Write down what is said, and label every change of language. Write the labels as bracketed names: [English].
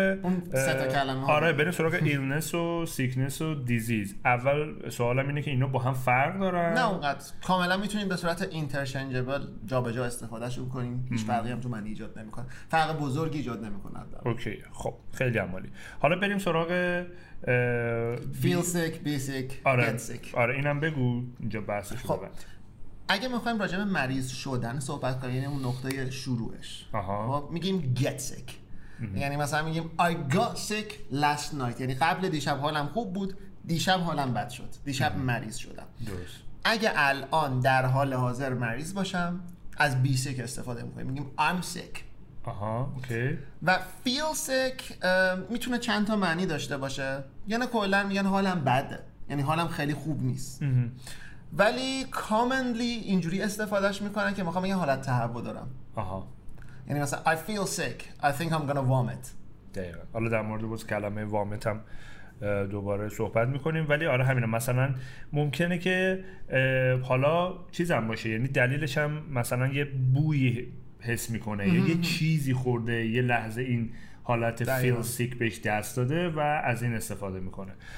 [Persian] اون سه تا کلمه. آره، بریم سراغ illness و sickness و disease. اول سوالم اینه که اینا با هم فرق دارن؟ نه اونقدر، کاملا میتونیم به صورت اینترچنجبل جا به جا استفادهش بکنیم، هیچ فرقی هم تو معنی ایجاد نمیکنه، فرق بزرگی ایجاد نمیکنه. اوکی، خب خیلی عمالی. حالا بریم سراغ [English] feel sick, be sick, get sick. [Persian] آره اینم بگو اینجا بحثش. خب اگه میخوایم راجع به مریض شدن صحبت کنیم، یعنی اون نقطه شروعش، میگیم get sick. یعنی مثلا میگیم [English] I got sick last night، [Persian] یعنی قبل دیشب حالم خوب بود، دیشب حالم بد شد، دیشب مریض شدم. درست. اگه الان در حال حاضر مریض باشم از be sick استفاده میکنیم، میگیم [English] I'm sick. [Persian] آها، اوکی. و feel sick میتونه چند تا معنی داشته باشه، یعنی کلا میگن حالم بده، یعنی حالم خیلی خوب نیست. ولی commonly اینجوری استفادهش میکنن که میخوام بگم حالت تهوع دارم. آها، یعنی مثلا [English] I feel sick, I think I'm gonna vomit. [Persian] دقیقا. حالا در مورد باز کلمه vomit هم دوباره صحبت میکنیم، ولی آره همینه، مثلا ممکنه که حالا چیز هم باشه، یعنی دلیلش هم مثلا یه بوی حس میکنه یا یه چیزی خورده، یه لحظه این حالت feel sick بهش دست داده و از این استفاده میکنه.